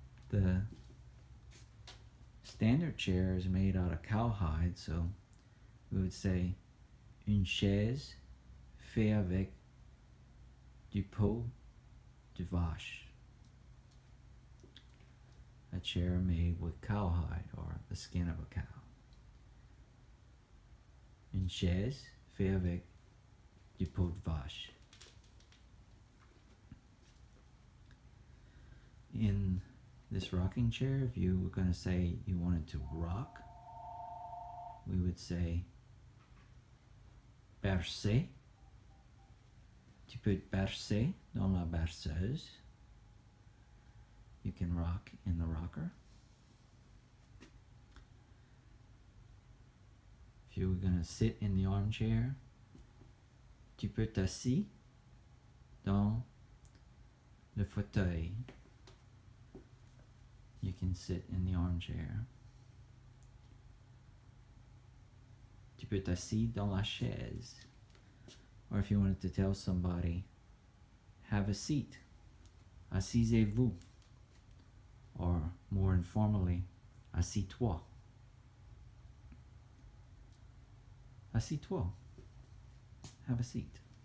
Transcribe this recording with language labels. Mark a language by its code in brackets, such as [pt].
[en] The standard chair is made out of cowhide, so we would say [fr] une chaise faite avec du peau de vache. [en] A chair made with cowhide or the skin of a cow. [fr] Une chaise faite avec du peau de vache. [en] In this rocking chair, if you were going to say you wanted to rock, we would say bercer. [fr] Tu peux bercer dans la berceuse. [en] You can rock in the rocker. If you were going to sit in the armchair, [fr] tu peux t'assis dans le fauteuil. [en] You can sit in the armchair. [fr] Tu peux t'assis dans la chaise. [en] Or if you wanted to tell somebody, have a seat. [fr] Assisez-vous. [en] Or more informally, assis-toi. [fr] Assis-toi. [en] Have a seat.